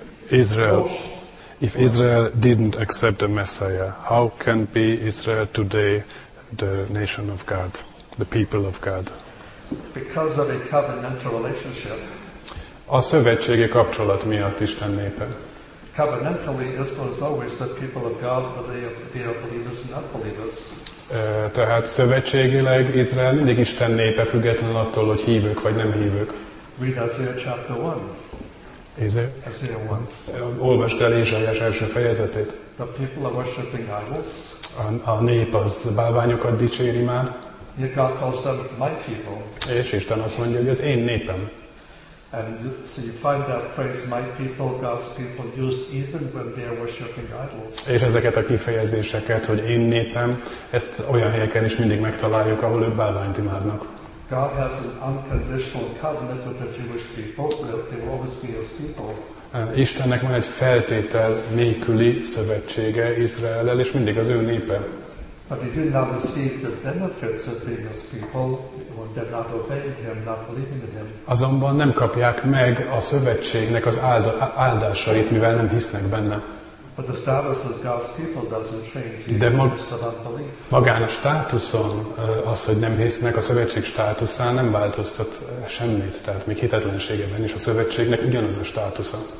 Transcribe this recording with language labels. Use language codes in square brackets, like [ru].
[en] If Israel didn't accept the Messiah, how can be Israel today the nation of God, the people of God? Because of a covenantal relationship. [hu] A szövetségi kapcsolat miatt Isten népe. [en] Covenantally, Israel is always the people of God, but they are believers and not believers. [hu] Tehát szövetségileg Izrael mindig Isten népe, független attól, hogy hívők vagy nem hívők. [en] Read Isaiah chapter 1. [hu] Olvasd el Ézsaiás első fejezetét. [en] The people are worshiping idols. [hu] A nép az bálványokat dicséri már. [en] God calls them my people. [hu] És Isten azt mondja, hogy az én népem. [en] And so you find that phrase, my people, God's people, used even when they are worshiping idols. [hu] És ezeket a kifejezéseket, hogy én népem, ezt olyan helyeken is mindig megtaláljuk, ahol ők bálványt imádnak. [en] God has an unconditional covenant with the Jewish people, so that they will always be His people. [hu] Istennek van egy feltétel nélküli szövetsége Izraellel, és mindig az ő népe. [en] But they do not receive the benefits of being His people when they're not obeying Him, not believing in Him. [hu] Azonban nem kapják meg a szövetségnek az áldásait, mivel nem hisznek benne. [en] But the status of God's people doesn't change. [hu] Magán a státuszon az, hogy nem hisznek, a szövetség státuszán nem változtat semmit. Tehát még hitetlenségeben is a szövetségnek ugyanaz a státusza.